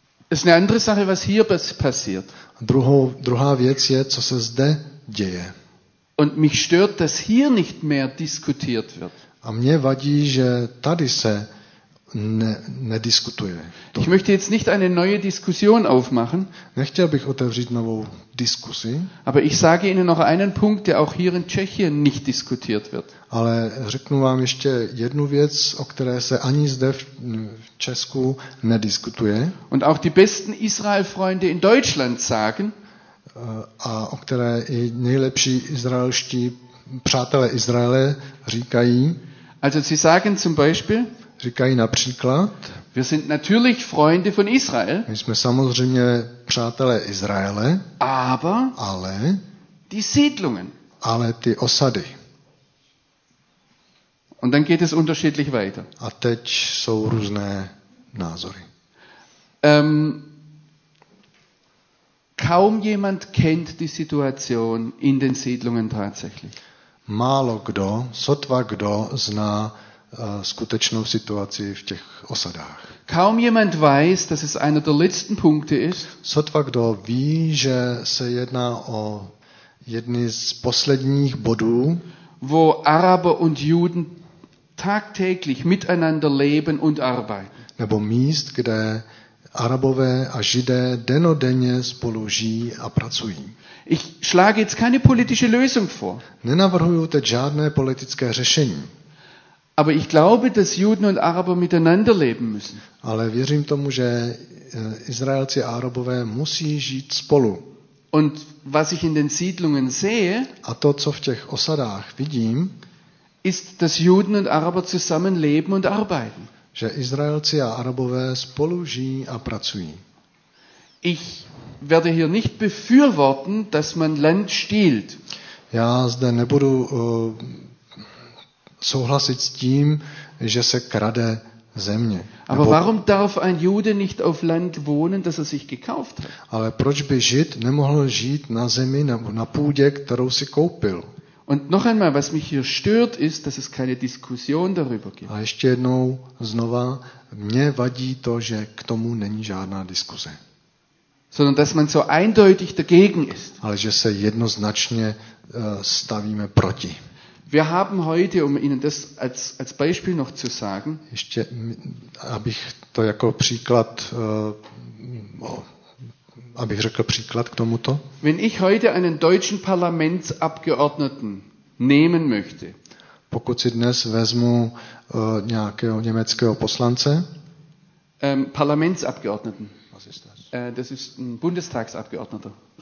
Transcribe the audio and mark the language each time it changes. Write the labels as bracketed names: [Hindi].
[German] Es ist eine andere Sache, was hier passiert. [Czech] Druhá věc je, co se zde děje. [German] Und mich stört, dass hier nicht mehr diskutiert wird. [Czech] A mě vadí, že tady se nediskutuje. [German] Ich möchte jetzt nicht eine neue Diskussion aufmachen. [Czech] Nechtěl bych otevřít novou diskusi. [German] Aber ich sage Ihnen noch einen Punkt, der auch hier in Tschechien nicht diskutiert wird. [Czech] Ale řeknu vám ještě jednu věc, o které se ani zde v Česku nediskutuje. [German] Und auch die besten Israel-Freunde in Deutschland sagen, [Czech] a o které i nejlepší izraelští přátelé Izraele říkají. [German] Also sie sagen zum Beispiel, [Czech] říkají například, [German] wir sind natürlich Freunde von Israel, [Czech] my jsme samozřejmě přátelé Izraele, [German] aber [Czech] ale [German] die Siedlungen, [Czech] ale ty osady. [German] Und dann geht es unterschiedlich weiter. [Czech] A teď jsou různé názory. [German] Kaum jemand kennt die Situation in den Siedlungen tatsächlich. [Czech] Málo kdo, sotva kdo zná skutečnou situaci v těch osadách. [German] Kaum jemand weiß, dass es einer der letzten Punkte ist. [Czech] Sotva kdo ví, že se jedná o jedny z posledních bodů, [German] wo Araber und Juden tagtäglich miteinander leben und arbeiten. [Czech] Nebo míst, kde Arabové a Židé dennodenně spolu žijí a pracují. [German] Ich schlage jetzt keine politische Lösung vor. [Czech] Nenavrhuju teď žádné politické řešení. [German] Aber ich glaube, dass Juden und Araber miteinander leben müssen. [Czech] Ale věřím tomu, že Izraelci a Arabové musí žít spolu. [German] Und was ich in den Siedlungen sehe, [Czech] a to, co v těch osadách vidím, [German] ist, dass Juden und Araber zusammen leben und arbeiten. [Czech] Že Izraelci a Arabové spolu žijí a pracují. [German] Ich werde hier nicht befürworten, dass man Land stiehlt. [Czech] Já zde nebudu souhlasit s tím, že se krade země. [German] Aber warum darf ein Jude nicht auf Land wohnen, das er sich gekauft hat? [Czech] Ale proč by Žid nemohl žít na zemi nebo na půdě, kterou si koupil? [German] Und noch einmal, was mich hier stört, ist, dass es keine Diskussion darüber gibt. [Czech] A ještě jednou znova, mě vadí to, že k tomu není žádná diskuse. [German] Sondern dass man so eindeutig dagegen ist. [Czech] Ale že se jednoznačně stavíme proti. [German] Wir haben heute, um Ihnen das als Beispiel noch zu sagen, [Czech] ještě, abych to jako příklad abych řekl příklad k tomuto. [German] Wenn ich heute einen deutschen Parlamentsabgeordneten nehmen möchte. [Czech] Pokud si dnes vezmu nějakého německého poslance. [German] Parlamentsabgeordneten. Was ist das? Das ist ein Bundestagsabgeordneter.